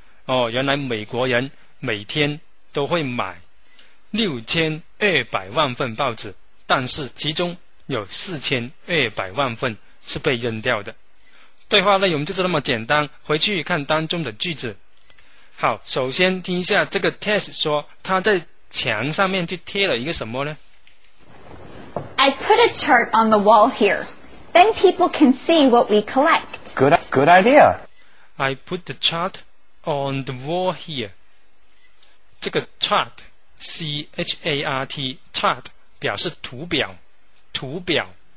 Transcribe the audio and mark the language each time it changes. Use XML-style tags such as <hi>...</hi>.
<zh>哦，原来美国人每天都会买6200万份报纸，但是其中有4200万份是被扔掉的。对话内容就是那么简单，回去看当中的句子。好，首先听一下这个 Tess 说他在墙上面就贴了一个什么呢？</zh> <en>I put a chart on the wall here. Then people can see what we collect. Good idea. I put the chart on the wall here.</en> <zh>这个 chart, C-H-A-R-T, chart, 表示图表，图表。</zh>